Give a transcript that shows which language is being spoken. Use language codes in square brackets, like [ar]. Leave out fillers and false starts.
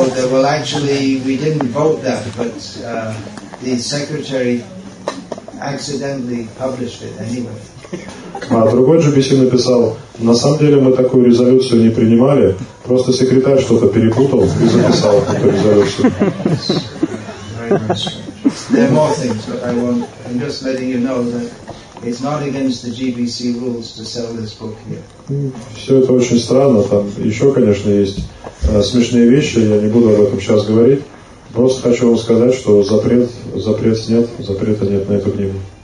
[en] Well, actually, we didn't vote that, but the secretary accidentally published it anyway. [ru] А другой GBC написал, на самом деле мы такую резолюцию не принимали, просто секретарь что-то перепутал и записал эту резолюцию. [en] There are more things, but I'm just letting you know that it's not against the GBC rules to sell this book here. [ru] Все это очень странно, там еще, конечно, есть смешные вещи, я не буду об этом сейчас говорить, просто хочу вам сказать, что запрета нет на эту книгу.